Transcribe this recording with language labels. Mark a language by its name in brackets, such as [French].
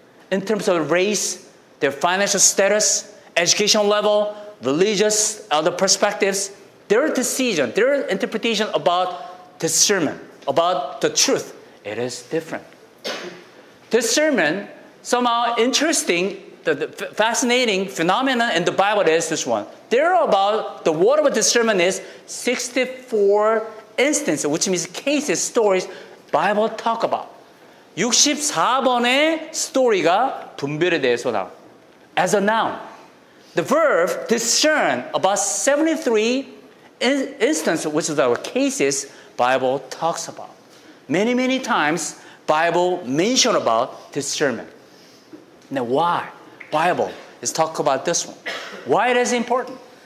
[English] In terms of race, their financial status, education level, religious, other perspectives, their decision, their interpretation about discernment, about the truth, it is different. Discernment, somehow interesting, the fascinating phenomenon in the Bible is this one. There are about, the word of discernment is 64 instances, which means cases, stories, Bible talk about. [Korean] 64번의 스토리가 분별에 대해서 나와. [English] As a noun. The verb discern about 73 instance, which is our cases, Bible talks about. Many, many times, Bible mentioned about discernment. Now, why Bible is talking about this one? Why it is important?